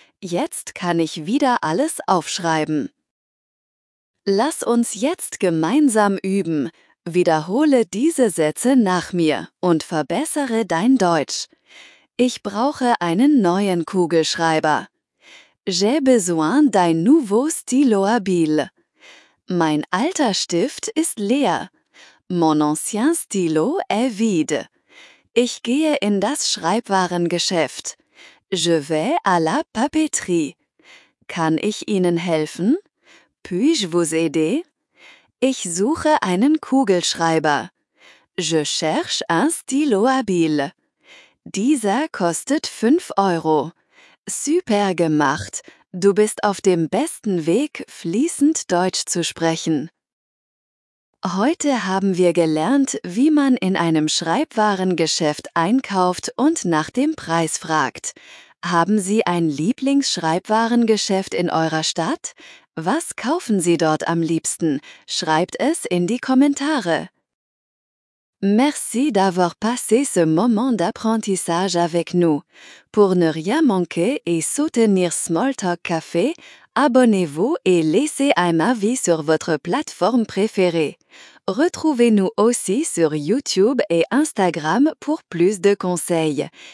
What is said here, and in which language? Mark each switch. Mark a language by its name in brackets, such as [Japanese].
[German] Jetzt kann ich wieder alles aufschreiben. Lass uns jetzt gemeinsam üben. Wiederhole diese Sätze nach mir und verbessere dein Deutsch. Ich brauche einen neuen Kugelschreiber. [French] J'ai besoin d'un nouveau stylo à bille. [German] Mein alter Stift ist leer. [French] Mon ancien stylo est vide. [German] Ich gehe in das Schreibwarengeschäft. [French] Je vais à la papeterie. [German] Kann ich Ihnen helfen? [French] Puis-je vous aider? [German] Ich suche einen Kugelschreiber. [French] Je cherche un stylo à bille. [German] Dieser kostet 5 Euro. Super gemacht! Du bist auf dem besten Weg, fließend Deutsch zu sprechen. Heute haben wir gelernt, wie man in einem Schreibwarengeschäft einkauft und nach dem Preis fragt. Haben Sie ein Lieblingsschreibwarengeschäft in eurer Stadt? Was kaufen Sie dort am liebsten? Schreibt es in die Kommentare. [French] Merci d'avoir passé ce moment d'apprentissage avec nous. Pour ne rien manquer et soutenir Smalltalk Café, abonnez-vous et laissez un avis sur votre plateforme préférée. Retrouvez-nous aussi sur YouTube et Instagram pour plus de conseils.